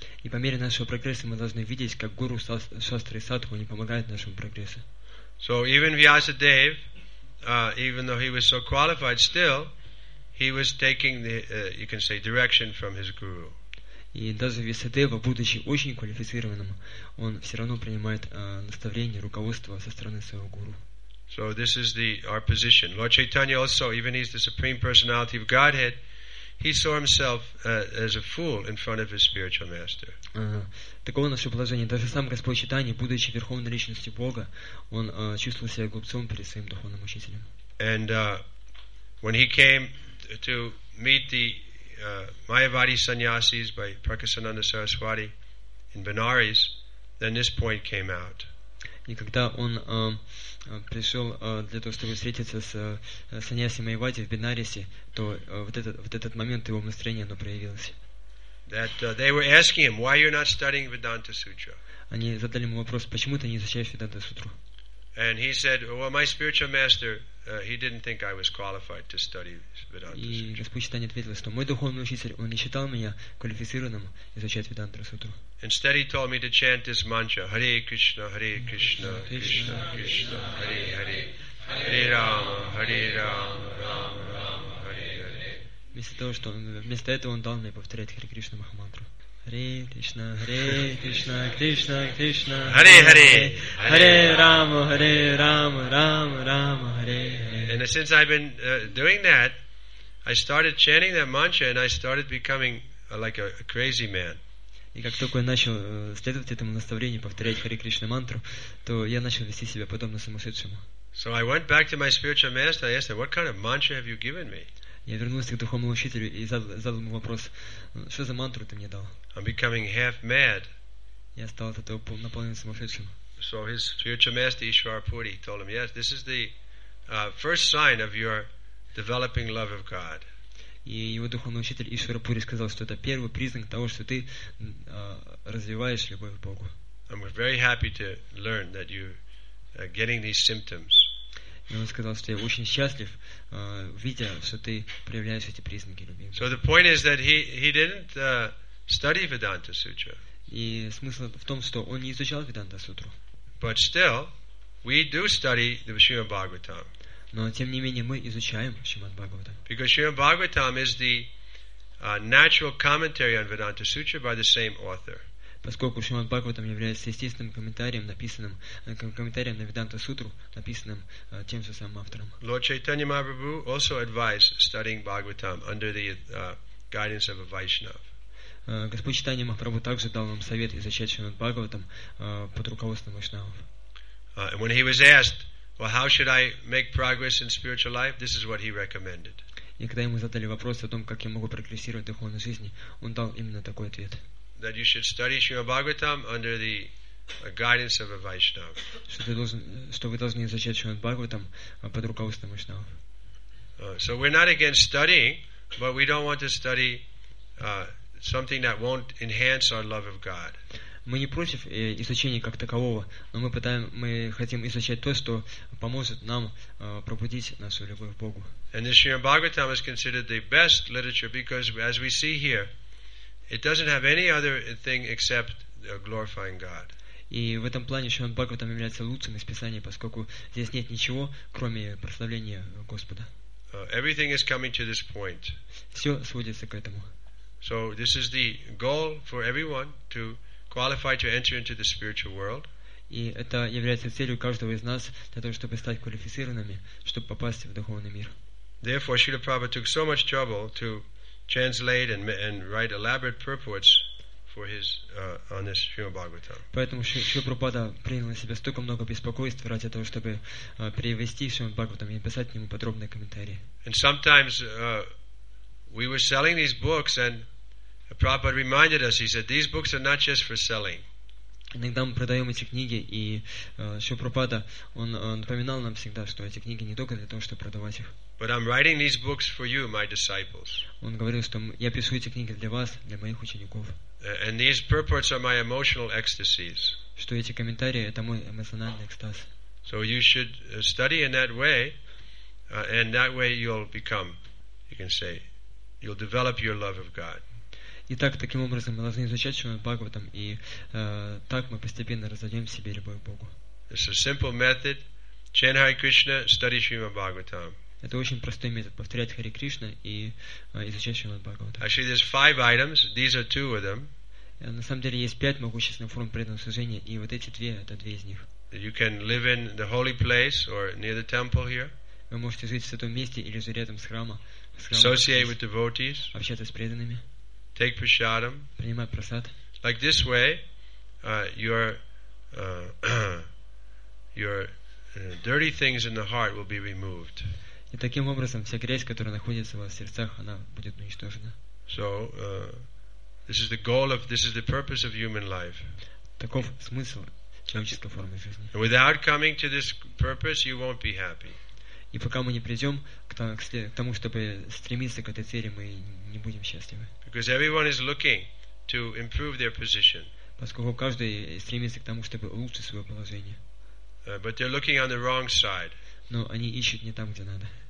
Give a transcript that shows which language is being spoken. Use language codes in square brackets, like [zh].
[ru] И по мере нашего прогресса мы должны видеть, как Гуру Шастра и Садху они помогают нашему прогрессу. [en] So even Vyasadeva, even though he was so qualified, still he was taking the you can say direction from his guru. [ru] И даже Вьясадева, будучи очень квалифицированным, он все равно принимает наставление, руководство со стороны своего гуру. [en] So this is our position. Lord Chaitanya also, even he's the Supreme Personality of Godhead, he saw himself as a fool in front of his spiritual master. [ru] Таково наше положение. Даже сам Господь Чайтанья, будучи верховной личностью Бога, он чувствовал себя глупцом перед своим духовным учителем. [en] And when he came to meet the Mayavadi sannyasis by Prakasananda Saraswati in Benares, then this point came out. [ru] И когда он пришел для того, чтобы встретиться с саньяси Майвади в Бенарисе, то в этот момент его настроение оно проявилось. Они задали ему вопрос: почему ты не изучаешь Веданта-сутру? [en] And he said, well, my spiritual master, he didn't think I was qualified to study Vedanta Sutra. [ru] И Господь Читания ответил, что мой духовный учитель, он не считал меня квалифицированным изучать Веданта Сутру. [en] Instead, he told me to chant this mantra, [sa] Hare Krishna, Hare Krishna, Krishna Krishna, Krishna, Krishna Hare Hare, Hare Rama, Hare Rama, Rama Rama, Hare Hare. [ru] Вместо того, что он, вместо этого он дал мне повторять Хари Кришна Махамантру. [sa] Hare Krishna, Hare Krishna, Krishna Krishna, Hare Hare, Hare Rama, Hare Rama, Rama Rama, Hare Hare. [en] And since I've been doing that, I started chanting that mantra and I started becoming like a crazy man. [ru] И как только я начал следовать этому наставлению, повторять Хари Кришна мантру, то я начал вести себя подобно сумасшедшему. [en] So I went back to my spiritual master and I asked him, what kind of mantra have you given me? [ru] Я вернулся к духовному учителю и задал ему вопрос, что за мантру ты мне дал? [en] I'm becoming half mad. [ru] Я стал от этого наполненным сумасшедшим. [en] So his spiritual master Ishwarapuri told him, yes, this is the first sign of your developing love of God. [ru] И его духовный учитель Ишварапури сказал, что это первый признак того, что ты развиваешь любовь к Богу. [en] And we're very happy to learn that you're getting these symptoms. [ru] И он сказал, что я очень счастлив, видя, что ты проявляешь эти признаки любви. [en] So the point is that he didn't study Vedanta Sutra. [ru] И смысл в том, что он не изучал Веданта Сутру. [en] But still, we do study the Srimad Bhagavatam. [ru] Но тем не менее мы изучаем Шримад Бхагаватам. [en] Because Srimad Bhagavatam is the natural commentary on Vedanta Sutra by the same author. [ru] Поскольку Шримад Бхагаватам является естественным комментарием, написанным комментарием на Веданта Сутру, написанным тем же самым автором. [en] Lord Chaitanya Mahaprabhu also advised studying Bhagavatam under the guidance of a Vaishnav. [ru] Господь Чайтанья Махапрабху также дал нам совет изучать Шримад Бхагаватам под руководством Вайшнавов. [en] And when he was asked, well, how should I make progress in spiritual life? This is what he recommended. [ru] И когда ему задали вопрос о том, как я могу прогрессировать в духовной жизни, он дал именно такой ответ. [en] That you should study Srimad Bhagavatam under the guidance of a Vaishnava. [ru] Что вы должны изучать Шримад Бхагаватам под руководством Вайшнавов. [en] So we're not against studying, but we don't want to study something that won't enhance our love of God. [ru] Мы не против изучения как такового, но мы хотим изучать то, что поможет нам пробудить нашу любовь к Богу. [en] And the Srimad Bhagavatam is considered the best literature because, as we see here, it doesn't have any other thing except glorifying God. [ru] И в этом плане Шримад Бхагаватам является лучшим из Писания, поскольку здесь нет ничего, кроме прославления Господа. [en] Everything is coming to this point. [ru] Все сводится к этому. [en] So this is the goal for everyone to qualify to enter into the spiritual world. [ru] И это является целью каждого из нас для того, чтобы стать квалифицированными, чтобы попасть в духовный мир. [en] Therefore, Srila Prabhupada took so much trouble to translate and write elaborate purports for his on this Srimad Bhagavatam. [ru] Поэтому Шрила Прабхупада принял на себя столько много беспокойств ради того, чтобы перевести Шримад Бхагаватам и написать ему подробные комментарии. [en] And sometimes we were selling these books, and Prabhupada reminded us. He said, "These books are not just for selling." [ru] Иногда мы продаем эти книги, и Шрила Прабхупада он напоминал нам всегда, что эти книги не только для того, чтобы продавать их. [en] But I'm writing these books for you, my disciples. [ru] Он говорил, что я пишу эти книги для вас, для моих учеников. [en] And these purports are my emotional ecstasies. [ru] Что эти комментарии — это мой эмоциональный экстаз. [en] So you should study in that way, and that way you'll become, you can say, you'll develop your love of God. [ru] Итак, таким образом мы должны изучать Шримад Бхагаватам, и так мы постепенно разовьем в себе любовь к Богу. [en] It's a simple method. Chant Hare Krishna, study Srimad Bhagavatam. [ru] Это очень простой метод — повторять Хари Кришна и изучать Шримад Бхагаватам. [en] Actually, there's five items. These are two of them. [ru] На самом деле есть пять могущественных форм преданного служения, и вот эти две — это две из них. [en] You can live in the holy place or near the temple here. [ru] Вы можете жить в святом месте или же рядом с храмом. [en] Associate with devotees. [ru] Общаться с преданными. [en] Take prasadam. [ru] Принимать прасад. [en] Like this way, your dirty things in the heart will be removed. [ru] И таким образом вся грязь, которая находится в ваших сердцах, она будет уничтожена. [en] So this is the goal of, this is the purpose of human life. [ru] Таков смысл человеческой формы жизни. [en] Without coming to this purpose, you won't be happy. [ru] И пока мы не придем к тому, чтобы стремиться к этой цели, мы не будем счастливы. [en] Because everyone is looking to improve their position. [ru] Поскольку каждый стремится к тому, чтобы улучшить свое положение. [en] But they're looking on the wrong side. [ru] Но они ищут не там, где надо.